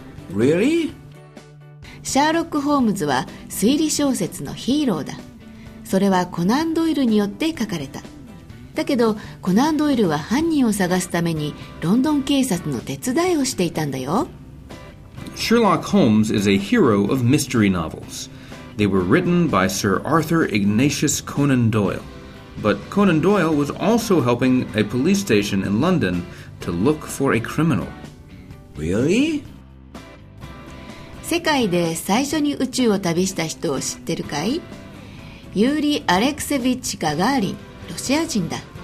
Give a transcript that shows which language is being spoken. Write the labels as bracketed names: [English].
[English] Really? [Japanese] シャーロック・ホームズは推理小説のヒーローだ。それはコナン・ドイルによって書かれた。だけどコナン・ドイルは犯人を探すためにロンドン警察の手伝いをしていたんだよ。 [English] Sherlock Holmes is a hero of mystery novels. They were written by Sir Arthur Ignatius Conan Doyle. But Conan Doyle was also helping a police station in London to look for a criminal. Really? [Japanese] 世界で最初に宇宙を旅した人を知ってるかい? ユーリ・アレクセヴィッチ・ガガーリン、ロシア人だ。